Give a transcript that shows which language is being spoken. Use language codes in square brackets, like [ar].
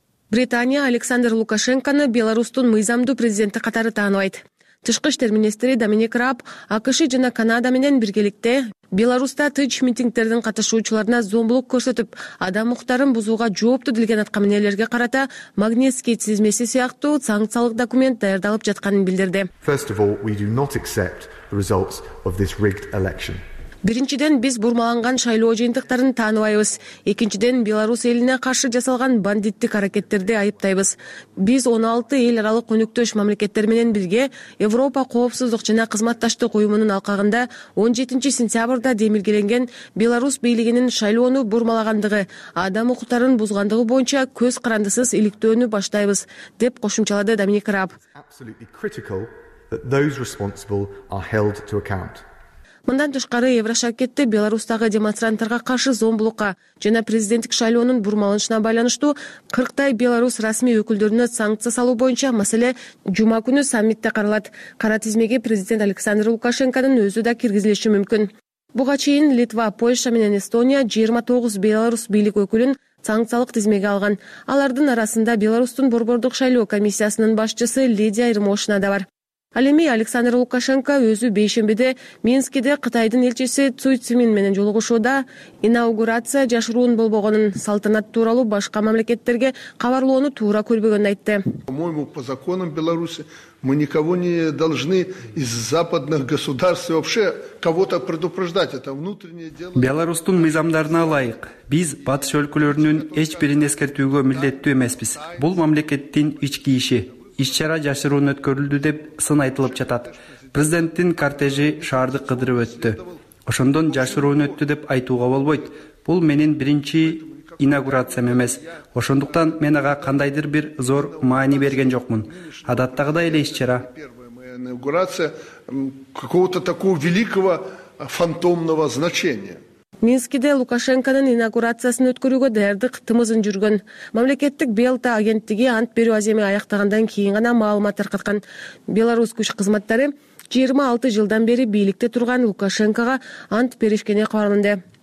[ky] Британия Александр Лукашенконы Беларусьтун мыйзамдуу президенти катары тааныбайт. Тышкы иштер министри Доминик Раб АКШ жана Канада менен биргеликте Беларусьта тынч митингдердин катышуучуларына зомбулук көрсөтүп, адам укуктарын бузууга жоопту делген аткаминелерге карата Магнитский тизмеси сыяктуу санкциялык документ даярдалып жатканын билдирди. [en] First of all, we do not accept the results of this rigged election. [ky] Биринчиден, биз бурмаланган шайлоо жыйынтыктарын тааныбайбыз. Экинчиден, Беларусь элине каршы жасалган бандиттик аракеттерди айыптайбыз. Биз 16 эл аралык өнүктөш мамлекеттер менен бирге Европа коопсуздук жана кызматташтык уюмунун алкагында 17 сентябрда демилгеленген Беларусь бийлигинин шайлоону бурмалагандыгы, адам укуктарын бузгандыгы боюнча көз карандысыз иликтөөнү баштайбыз, деп кошумчалады Доминик Раб. [en] Absolutely critical that those responsible are held to account. [ky] Мындан тышкары Еврошакетте Беларусьтагы демонстранттарга каршы зомбулукка жана президенттик шайлоонун бурмаланышына байланыштуу 40 Беларусь расмий өкүлдөрүнө санкция салуу боюнча маселе жума күнү саммитте каралат. Кара тизмеге президент Александр Лукашенконун өзү да киргизилиши мүмкүн. Буга чейин Литва, Польша менен Эстония 29 Беларусь бийлик өкүлүн санкциялык тизмеге алган. Алардын арасында Беларусьтун борбордук шайлоо комиссиясынын башчысы Лидия Ермошина да бар. Ал эми Александр Лукашенко өзү бейшембиде Минскиде Кытайдын элчиси Цуй Цимин менен жолугушууда инаугурация жашыруун болбогонун, салтанат тууралуу башка мамлекеттерге кабарлоону туура көрбөгөнүн айтты. [ru] По-моему, по законам Беларуси мы никого не должны из западных государств вообще кого-то предупреждать. Это внутреннее дело. [ky] Беларусьтун мыйзамдарына ылайык, биз батыш өлкөлөрүнүн эч бирин эскертүүгө милдеттүү эмеспиз. Бул мамлекеттин ички иши. Иш-чара жашыруун өткөрүлдү деп сын айтылып жатат. Президенттин кортежи шаарды кыдырып өттү. Ошондон жашыруун өттү деп айтууга болбойт. Бул менин биринчи инаугурациям эмес. Ошондуктан мен ага кандайдыр бир зор маани берген жокмун. Адаттагыдай эле иш-чара. [ru] Инаугурация какого-то такого великого фантомного значения. [ky] Минскиде Лукашенконун инаугурациясын өткөрүүгө даярдык тымызын жүргөн. Мамлекеттик Белта агенттиги ант берүү аземи аяктагандан кийин гана маалымат таркаткан. Беларусь күч кызматтары 26 жылдан бери бийликте турган Лукашенкага ант беришкени кабарланды.